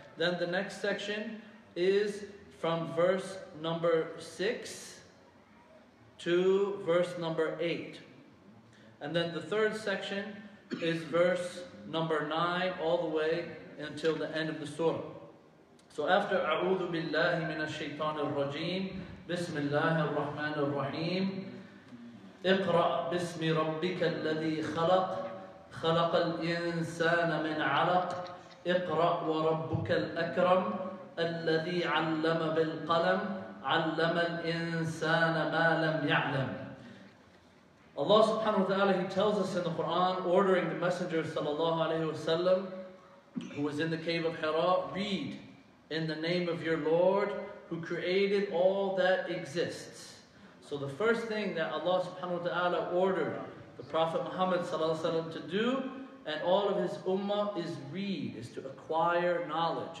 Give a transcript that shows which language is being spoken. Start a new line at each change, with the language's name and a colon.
English: Then the next section is from verse number 6 to verse number 8. And then the third section is verse number 9 all the way until the end of the surah. So after
Arabic: أعوذ بالله من الشيطان الرجيم بسم الله الرحمن الرحيم اقرأ باسم ربك الذي خلق خلق الإنسان من علق اقرأ وربك الأكرم الذي علم بالقلم علم الإنسان ما لم يعلم.
English: Allah subhanahu wa ta'ala, he tells us in the Quran, ordering the Messenger sallallahu alayhi wa sallam, who was in the cave of Hira, read in the name of your Lord who created all that exists. So the first thing that Allah subhanahu wa ta'ala ordered the Prophet Muhammad sallallahu alaihi wasallam to do and all of his ummah is read, is to acquire knowledge.